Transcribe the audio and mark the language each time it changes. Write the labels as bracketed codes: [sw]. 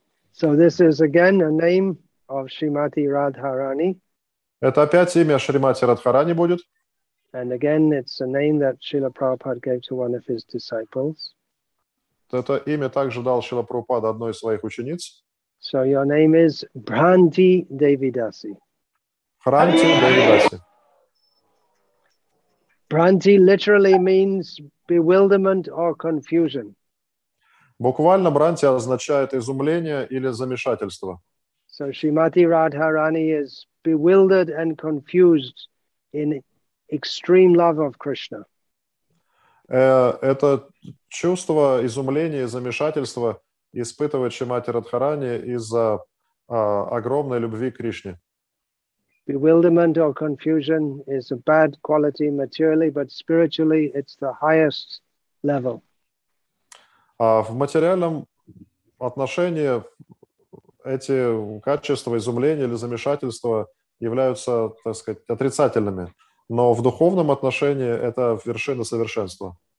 [en] So this is again a name of Srimati Radharani. [ru] Это опять имя Шримати Радхарани будет. [en] And again, it's a name that Srila Prabhupada gave to one of his disciples. [ru] Это имя также дал Шрила Прабхупада одной из своих учениц. [en] So your name is Bhante Devidasi. Bhante Devidasi. Bhante literally means bewilderment or confusion. [ru] Буквально Бранти означает изумление или замешательство. [en] So Srimati Radharani is bewildered and confused in extreme love of Krishna. [ru] Это чувство изумления и замешательства испытывает Шримати Радхарани из-за огромной любви к Кришне. [en] Bewilderment or confusion is a bad quality materially, but spiritually it's the highest level. [ru] В материальном отношении эти качества изумления или замешательства являются, так сказать, отрицательными, но в духовном отношении это вершина совершенства.